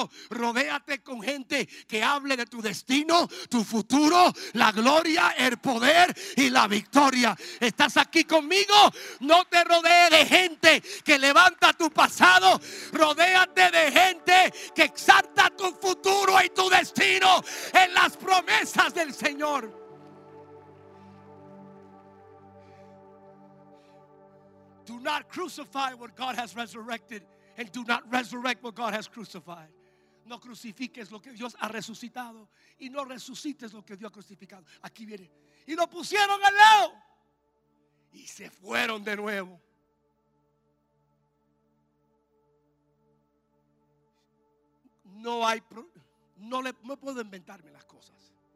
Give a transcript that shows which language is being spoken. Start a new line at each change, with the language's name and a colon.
Spanish: Rodéate con gente que hable de tu destino, tu futuro, la gloria, el poder y la victoria. ¿Estás aquí conmigo? No te rodees de gente que levanta tu pasado. Rodéate de gente que exalta tu futuro y tu destino en las promesas del Señor.
English: Do not crucify what God has resurrected, and do not resurrect what God has crucified.
Spanish: No crucifiques lo que Dios ha resucitado y no resucites lo que Dios ha crucificado. Aquí viene. Y lo pusieron al lado y se fueron de nuevo. No hay, no puedo inventarme las cosas.